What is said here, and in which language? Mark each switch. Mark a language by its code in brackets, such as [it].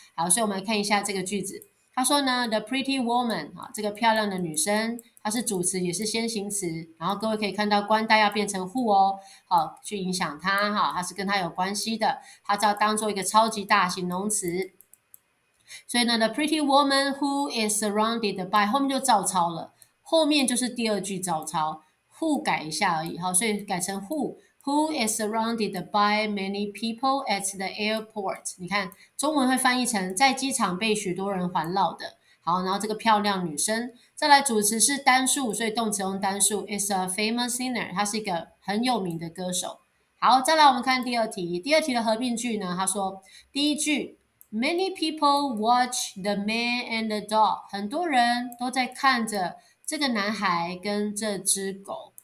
[zh] 好，所以我们来看一下这个句子。他说呢， [en] the pretty woman [zh] 啊，这个漂亮的女生，她是主词，也是先行词。然后各位可以看到，冠带要变成 who 哦，好，去影响她哈，它是跟她有关系的，它就要当做一个超级大形容词。所以呢， [en] the pretty woman who is surrounded by [zh] 后面就照抄了，后面就是第二句照抄，who 改一下而已哈，所以改成 [en] who is surrounded by many people at the airport？ [zh] 你看，中文会翻译成在机场被许多人环绕的。好，然后这个漂亮女生，再来主词是单数，所以动词用单数。 [en] Is a famous singer， [zh] 她是一个很有名的歌手。好，再来我们看第二题，第二题的合并句呢？他说第一句， [en] Many people watch the man and the dog， [zh] 很多人都在看着这个男孩跟这只狗。